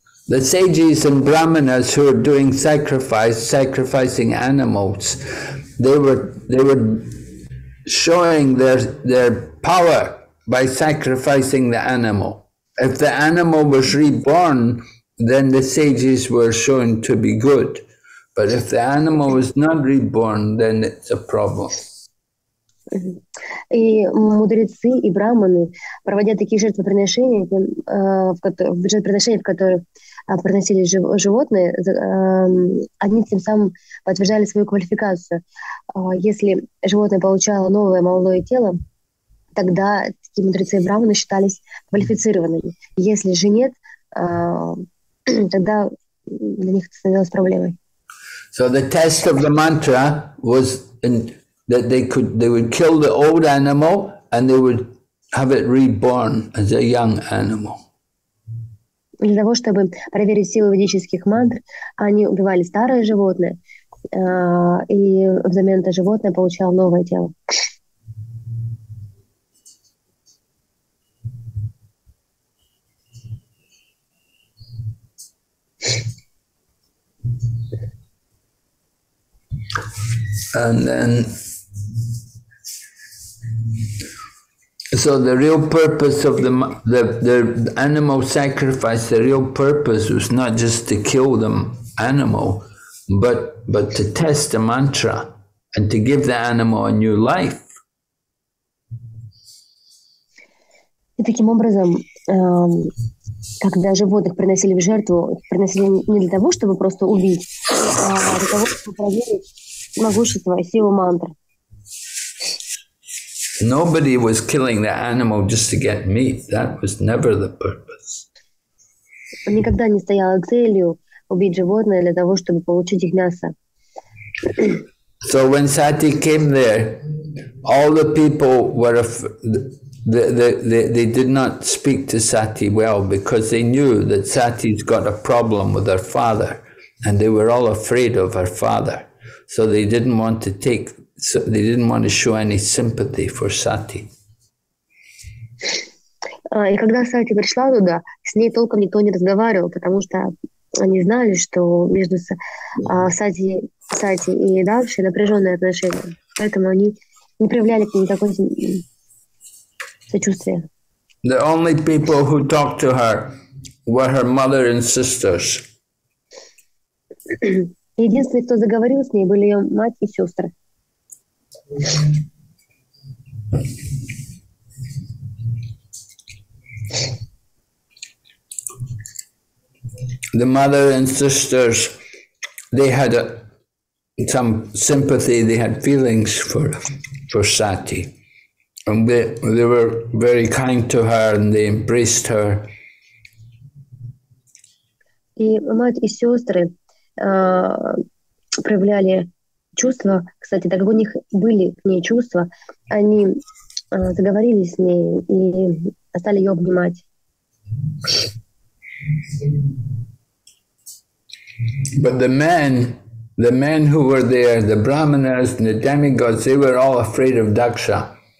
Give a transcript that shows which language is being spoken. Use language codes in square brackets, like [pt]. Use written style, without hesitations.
[en] The sages and brahmanas who are doing sacrificing animals, they were showing their power by sacrificing the animal. If the animal was reborn, then the sages were shown to be good. But if the animal was not reborn, then it's a problem. [ru] И мудрецы и брахманы, проводя такие жертвоприношения, в которых приносили животные, они тем самым подтверждали свою квалификацию. Если животное получало новое молодое тело, тогда такие мудрецы и брахманы считались квалифицированными. Если же нет, тогда для них это становилось проблемой. [en] So the test of the mantra was that they would kill the old animal and they would have it reborn as a young animal. [ru] Для того, чтобы проверить силу ведических мантр, они убивали старое животное, и взамен это животное получало новое тело. [en] And then, so the real purpose of the animal sacrifice, the real purpose was not just to kill the animal, but to test the mantra and to give the animal a new life. [ru] И таким образом, когда животных приносили в жертву, приносили не для того, чтобы просто убить, а для того, чтобы проверить могущество и силу мантры. [en] Nobody was killing the animal just to get meat. That was never the purpose. [ru] Никогда не стояло целью убить животное для того, чтобы получить их мясо. [en] So when Sati came there, all the people were they did not speak to Sati well because they knew that Sati's got a problem with her father, and they were all afraid of her father, so they didn't want to take. So they didn't want to show any sympathy for Sati. [ru] И когда Сати пришла туда, с ней толком никто не разговаривал, потому что они знали, что между Сати и Дакши напряженные отношения. Поэтому они не проявляли к ней такого сочувствия. [en] The only people who talked to her were her mother and sisters. [ru] Единственные, кто заговорил с ней, были ее мать и сестры. [en] The mother and sisters, they had some sympathy, they had feelings for Sati, They were very kind to her and they embraced her. [ru] И мать и сестры проявляли чувства, кстати, так как у них были к ней чувства, они заговорили с ней и стали ее обнимать. [en] But the men who were there, the brahmanas and the demigods, they were all afraid of Daksha.